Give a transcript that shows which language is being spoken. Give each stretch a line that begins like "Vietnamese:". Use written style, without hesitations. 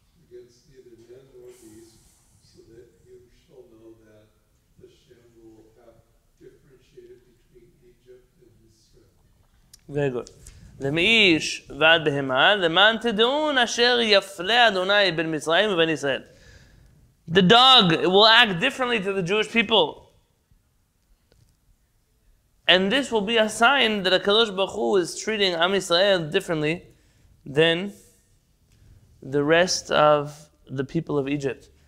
English: Against either men or beasts, so that you shall know that Hashem will have differentiated between Egypt and Israel. Very good.
Hebrew: למאיש ועד בהמה, למען תדעון אשר יפלה אדוני בין מצרים ובין ישראל.
English: The dog, it will act differently to the Jewish people. And this will be a sign that HaKadosh Baruch Hu is treating Am Yisrael differently than the rest of the people of Egypt.